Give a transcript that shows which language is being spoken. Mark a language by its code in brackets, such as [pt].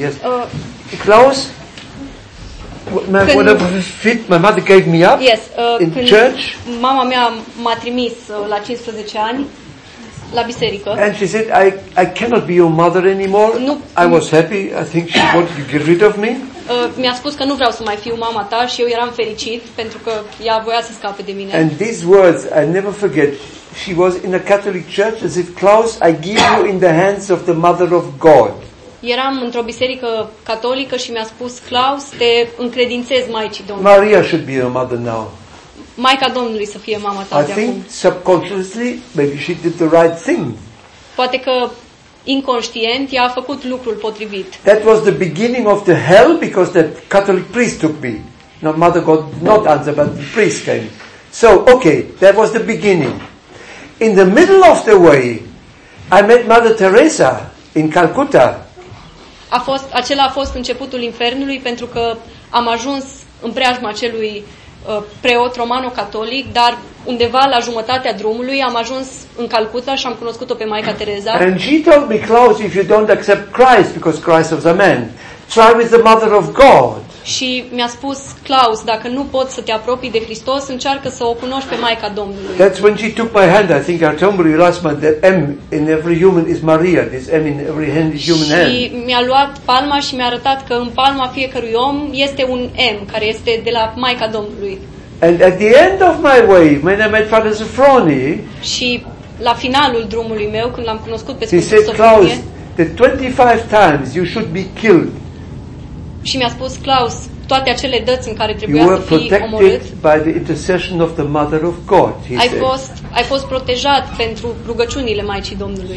[en] Yes. Klaus, my mother gave me up. Yes, in church. [ro] Mama mea m-a trimis la 15 ani. La biserică. [en] And she said, I cannot be your mother anymore. [ro] Nu, [en] I was happy. I think she wanted to get rid of me. [ro] Mi-a spus că nu vreau să mai fiu mama ta și eu eram fericit pentru că ea voia să scape de mine. [en] And these words, I never forget. She was in a Catholic church as if, Klaus, I give you in the hands of the Mother of God. [ro] Eram într-o biserică catolică și mi-a spus, Klaus, te încredințez Maicii Domnului. [en] Maria should be your mother now. [ro] Maica Domnului să fie mama ta. [en] I think subconsciously maybe she did the right thing. [ro] Poate că inconștient ea a făcut lucrul potrivit. [en] That was the beginning of the hell because that Catholic priest took me. No, Mother God, not answer, but the priest came. So, okay, that was the beginning. In the middle of the way, I met Mother Teresa in Calcutta. [ro] A fost, acela a fost începutul infernului, pentru că am ajuns în preajma acelui preot romano-catolic, dar undeva la jumătatea drumului am ajuns în Calcuta și am cunoscut-o pe Maica Teresa. [en] And she told me, Klaus, if you don't accept Christ, because Christ was a man, try with the Mother of God. [ro] Și mi-a spus, Klaus, dacă nu poți să te apropii de Hristos, încearcă să o cunoști pe Maica Domnului. [en] That's when she took my hand, I think I told you last month, that M in every human is Maria, this M in every hand is human [ro] M. Și mi-a luat palma și mi-a arătat că în palma fiecărui om este un M, care este de la Maica Domnului. [en] And at the end of my way, when I met Father Sofroni, [ro] și la finalul drumului meu, când l-am cunoscut pe [en] Sfântul Sofronie, Klaus, the 25 times you should be killed. [ro] Și mi-a spus Klaus, toate acele dăți în care trebuia să fii omorât. [en] You were protected by the intercession of the Mother of God, he said. [ro] Ai fost protejat pentru rugăciunile Maicii Domnului.